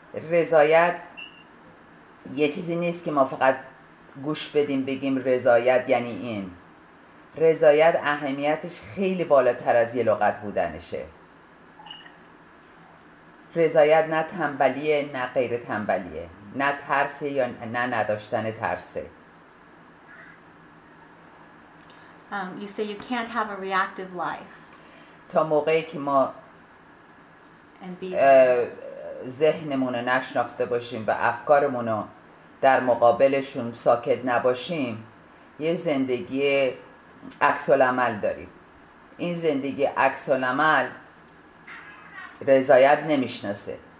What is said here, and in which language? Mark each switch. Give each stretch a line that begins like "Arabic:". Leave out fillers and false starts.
Persian: رضایت یه چیزی نیست که ما فقط گوش بدیم بگیم رضایت یعنی این. رضایت اهمیتش خیلی بالاتر از یه لغت بودنشه. رضایت نه تنبلیه نه غیر تنبلیه، نه ترسه یا نه نداشتن ترسه.
English: You say you can't have a reactive life.
Persian: تا موقعی که ما ذهنمون رو نشناخته باشیم و افکارمون رو در مقابلشون ساکت نباشیم، یه زندگی عکس العمل داریم. این زندگی عکس العمل رضایت نمیشناسه.